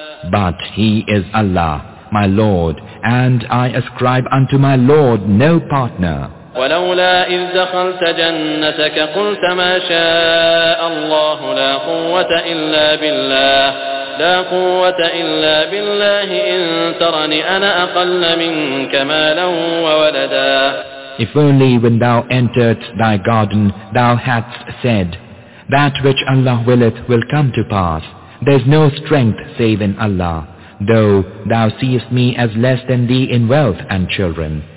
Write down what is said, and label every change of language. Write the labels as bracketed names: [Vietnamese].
[English] But he is Allah, my Lord, and I ascribe unto my Lord no partner. [Arabic] ولولا إذ دخلت جنتك قلت ما شاء الله لا قوة إلا بالله لا قوة إلا بالله إن ترني أنا أقل منك مالا وولدا. [English] If only when thou entered thy garden thou hadst said, That which Allah willeth will come to pass. There's no strength save in Allah. Though thou seest me as less than thee in wealth and children.